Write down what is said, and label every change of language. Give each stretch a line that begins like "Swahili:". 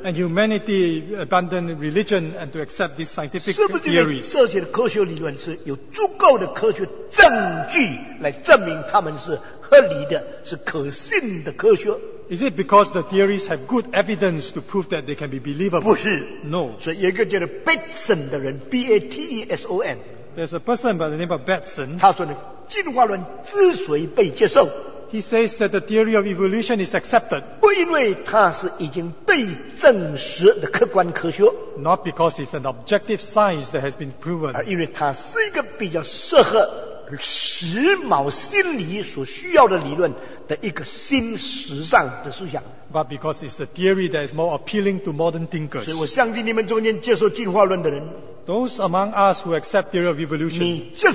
English: And humanity abandoned religion and to accept these scientific theories.
Chinese: 是不是这些科学理论是有足够的科学证据？来证明他们是合理的，是可信的科学。
English: Is it because the theories have good evidence to prove that they can be believable?
Chinese: 不是。
English: No.
Chinese: 所以有一个叫做 Batson 的人， B-A-T-E-S-O-N。
English: There's a person by the name of Batson.
Chinese: 他说呢， 进化论之所以被接受，
English: He says that the theory of evolution is accepted.
Chinese: 不因为它是已经被证实的客观科学。
English: Not because it's an objective science that has been proven.
Chinese: 而因为它是一个比较适合 时髦心理所需要的理论的一个新时尚的思想。
English: But because it's a theory that is more appealing to modern thinkers.
Chinese: 所以我相信你们中间接受进化论的人，
English: those among us who accept theory of evolution,